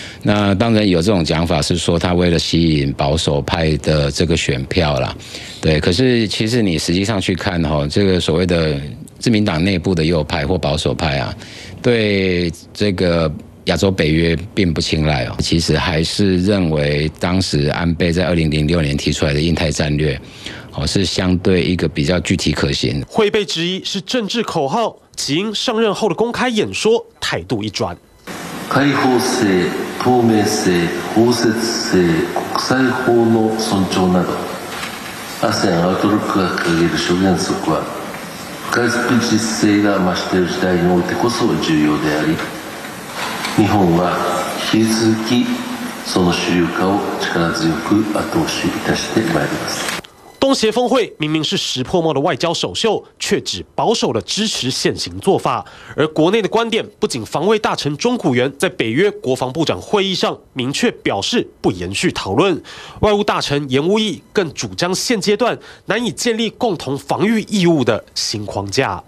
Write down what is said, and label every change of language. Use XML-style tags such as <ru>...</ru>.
<zh>那当然有这种讲法是说他为了吸引保守派的这个选票啦，对，可是其实你实际上去看哈，这个所谓的自民党内部的右派或保守派啊，对这个亚洲北约并不青睐哦。其实还是认为当时安倍在2006年提出来的印太战略，哦，是相对一个比较具体可行。会被质疑是政治口号，吉英上任后的公开演说态度一转。</zh> <ja>開放性、透明性、包摄性、国際法の尊重など。 ASEAN アウトルックが掲げる諸原則は不可逆実性が増している時代においてこそ重要であり、日本は引き続きその主流化を力強く後押しいたしてまいります。</ja> <zh>东协峰会明明是石破茂的外交首秀，却只保守地支持现行做法。而国内的观点不仅防卫大臣中谷元在北约国防部长会议上明确表示不延续讨论，外务大臣严武义更主张现阶段难以建立共同防御义务的新框架。</zh>